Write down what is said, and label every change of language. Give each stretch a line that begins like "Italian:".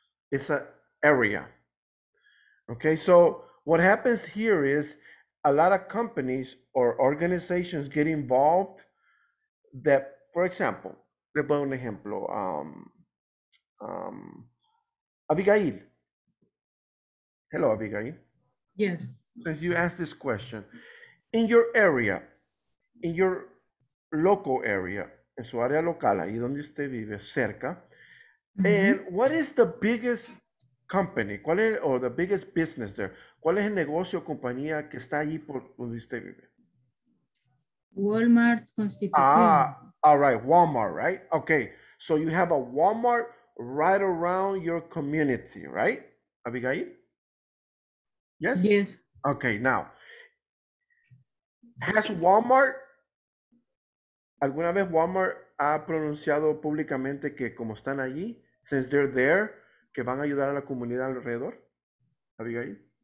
English: It's an area. Okay, so what happens here is a lot of companies or organizations get involved that, for example,
Spanish: le pongo un ejemplo,
English: Abigail. Hello, Abigail. Yes. Since you asked this question, in your area, in your local area,
Spanish: en su área local, ahí donde usted vive, cerca,
English: and what is the biggest company,
Spanish: cuál es,
English: or the biggest business there?
Spanish: ¿Cuál es el negocio o compañía que está allí por donde usted vive? Walmart Constitución.
English: Ah, all right, Walmart, right? Okay, so you have a Walmart right around your community, right, Abigail? Yes? Yes. Okay, now, has Walmart,
Spanish: alguna vez Walmart ha pronunciado públicamente que como están allí,
English: since they're there,
Spanish: que van a ayudar a la comunidad alrededor? Abigail?